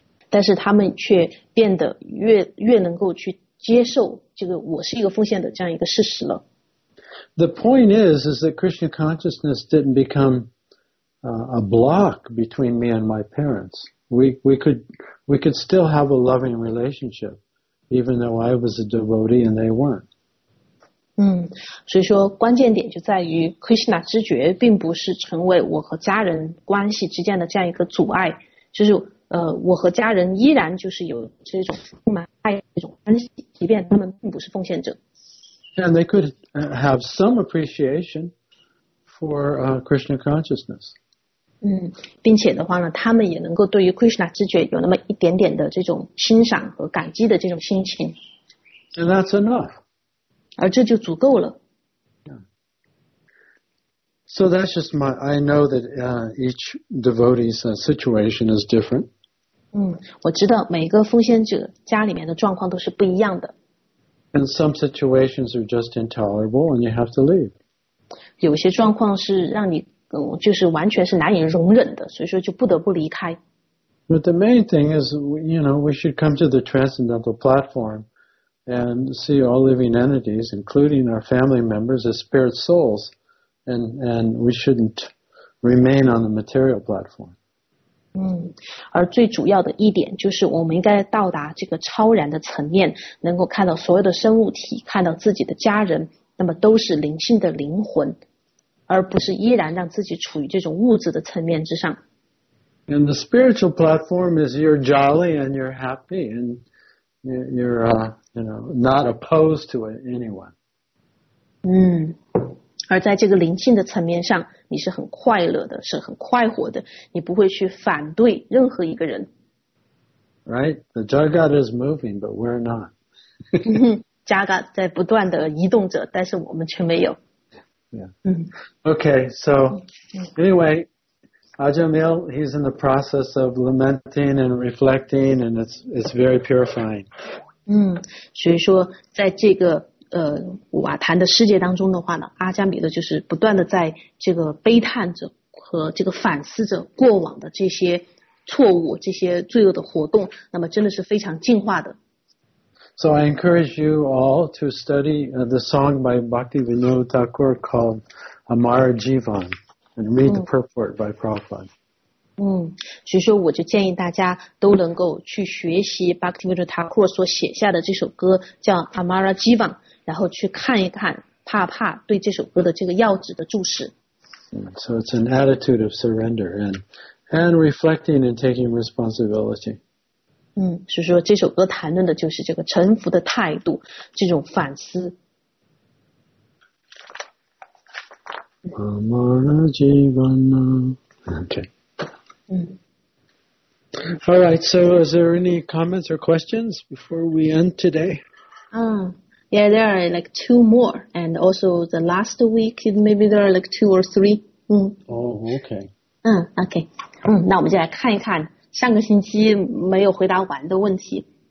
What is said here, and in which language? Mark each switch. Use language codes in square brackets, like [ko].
[zh] 但是他们却变得越能够去接受这个我是一个奉献的这样一个事实了。 [en] The point is that Krishna consciousness didn't become a block between me and my parents. We could still have a loving relationship, even though I was a devotee and they weren't. [zh] 所以说关键点就在于 Krishna 知觉并不是成为我和家人关系之间的这样一个阻碍，就是我和家人依然就是有这种充满爱这种关系，即便他们并不是奉献者。 [en] And they could have some appreciation for Krishna consciousness. [zh] 并且的话呢，他们也能够对于 Krishna 知觉有那么一点点的这种欣赏和感激的这种心情。 [en] And that's enough. [zh] 而这就足够了。 [en] So that's just my, I know that each devotee's situation is different. [zh] 我知道每个奉献者家里面的状况都是不一样的。 [en] And some situations are just intolerable and you have to leave. [zh] 有些状况是让你就是完全是难以容忍的，所以说就不得不离开。 [en] But the main thing is, you know, we should come to the transcendental platform. And see all living entities, including our family members, as spirit souls, and we shouldn't remain on the material platform. [zh] 而最主要的一点就是我们应该到达这个超然的层面，能够看到所有的生物体，看到自己的家人，那么都是灵性的灵魂，而不是依然让自己处于这种物质的层面之上。 [en] And the spiritual platform is you're jolly and you're happy and you're not opposed to anyone. [zh] 而在这个灵性的层面上，你是很快乐的，是很快活的，你不会去反对任何一个人。 [en] Right, the jagat is moving, but we're not. [zh] Jagat 在不断的移动着，但是我们却没有。 [en] Yeah. Okay. So anyway, Ajamil, he's in the process of lamenting and reflecting, and it's very purifying. [zh] 所以说，在这个瓦坛的世界当中的话呢，阿加米勒就是不断的在这个悲叹着和这个反思着过往的这些错误、这些罪恶的活动，那么真的是非常净化的。 [en] So I encourage you all to study the song by Bhaktivinoda Thakur called Amar Jivan and read the purport by Prabhupada. [zh] 所以说我就建议大家都能够去学习 Bhaktivinoda Thakur 所写下的这首歌叫 Amar Jivan， 然后去看一看帕帕对这首歌的这个要旨的注释。 [en] So it's an attitude of surrender and reflecting and taking responsibility. [zh] 所以说这首歌谈论的就是这个臣服的态度，这种反思。 [en] Okay. All right, so is there any comments or questions before we end today? Yeah, there are like two more, and also the last week, maybe there are like two or three. Okay. [zh] 那我们就来看一看上个星期没有回答完的问题。